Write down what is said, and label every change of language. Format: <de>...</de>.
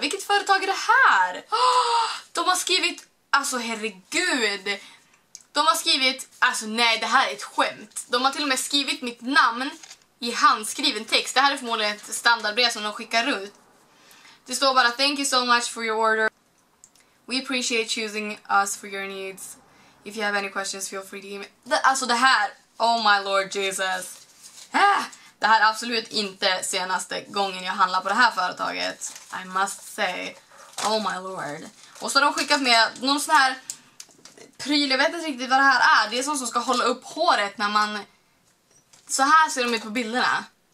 <sv>Vilket företag är det här? Oh, de har skrivit, alltså herregud. De har skrivit, alltså nej, det här är ett skämt. De har till och med skrivit mitt namn i handskriven text. Det här är förmodligen ett standardbrev som de skickar ut. Det står bara,</sv> <en>thank you so much for your order. We appreciate choosing us for your needs. If you have any questions, feel free to email.</en> <sv>Alltså det här,</sv> <en>oh my lord Jesus.</en> <sv>Det här är absolut inte senaste gången jag handlar på det här företaget.</sv> <en>I must say. Oh my lord.</en> <sv>Och så har de skickat med någon sån här pryl. Jag vet inte riktigt vad det här är. Det är sånt som ska hålla upp håret när man... Så här ser de ut på bilderna.</sv>